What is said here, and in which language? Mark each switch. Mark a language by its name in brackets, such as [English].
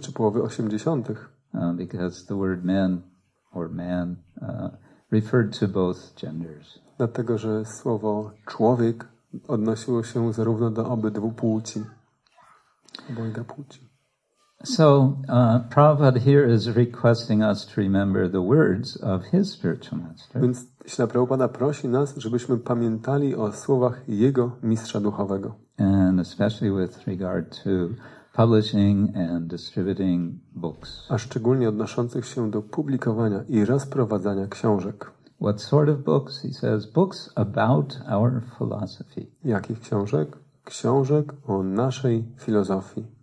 [Polish] czy połowy 80. [English] Because the word men or man referred to both genders. [Polish] Dlatego, że słowo człowiek odnosiło się zarówno do obydwu płci. Obojga płci. [English] So Prabhupada here is requesting us to remember the words of his spiritual master. [Polish] Więc Śla Prabhupada prosi nas, żebyśmy pamiętali o słowach jego mistrza duchowego. [English] And especially with regard to publishing and distributing books. [Polish] A szczególnie odnoszących się do publikowania i rozprowadzania książek. [English] What sort of books? He says books about our philosophy. [Polish] Jakich książek? Książek o naszej filozofii.